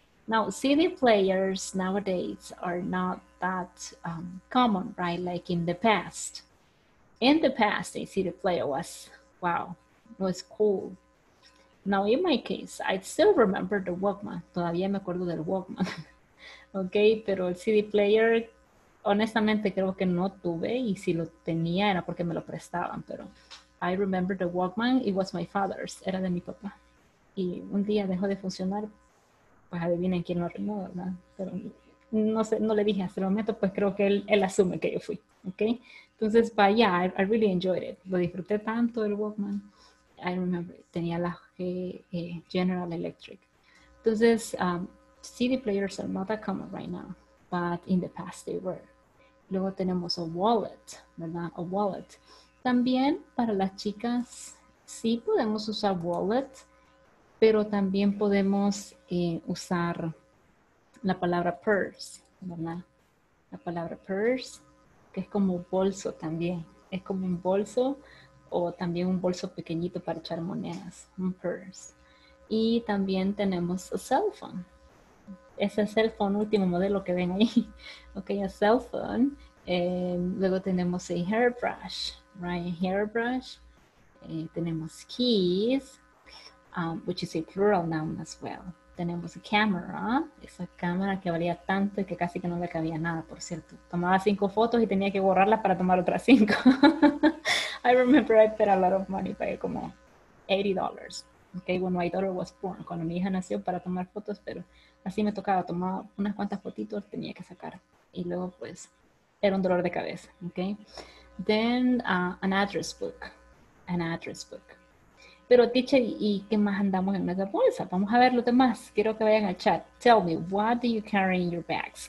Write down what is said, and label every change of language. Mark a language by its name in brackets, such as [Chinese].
[English] Now, CD players nowadays are not that common, right? Like in the past. In the past, a CD player was, wow, was cool. Now, in my case, I still remember the Walkman. [Spanish] Todavía me acuerdo del Walkman. Okay, pero el CD player, honestamente, creo que no tuve. Y si lo tenía, era porque me lo prestaban. Pero [English] I remember the Walkman. It was my father's. [Spanish] Era de mi papá. Y un día dejó de funcionar. Pues adivinen quién lo arregló, ¿verdad? Pero no sé, no le dije hasta el momento, pues creo que él asume que yo fui, ¿ok? [English] Entonces, but yeah, I really enjoyed it. [Spanish] Lo disfruté tanto, el Walkman. [English] I remember, [Spanish] tenía la General Electric. [English] Entonces, CD players are not that common right now, but in the past they were. [Spanish] Luego tenemos a wallet, ¿verdad? A wallet. También para las chicas, sí podemos usar wallet, pero también podemos usar la palabra purse, ¿verdad? La palabra purse, que es como bolso también. Es como un bolso o también un bolso pequeñito para echar monedas, un purse. Y también tenemos a cell phone. Ese es el phone último modelo que ven ahí. [English] Ok, a cell phone. [Spanish] Luego tenemos [English] a hairbrush, right? Hairbrush. Tenemos keys, which is a plural noun as well. [Spanish] Tenemos a camera, esa cámara que valía tanto y que casi que no le cabía nada, por cierto. Tomaba 5 fotos y tenía que borrarlas para tomar otras 5. [English] I remember I paid a lot of money, [Spanish] pagué como $80. [English] Okay, when my daughter was born, [Spanish] cuando mi hija nació para tomar fotos, pero así me tocaba, tomaba unas cuantas fotitos, tenía que sacar. Y luego, pues, era un dolor de cabeza, okay? [English] Then, an address book. [Spanish] An address book. Pero, teacher, ¿y qué más andamos en nuestra bolsa? Vamos a ver los demás. Quiero que vayan al chat. [English] Tell me, what do you carry in your bags?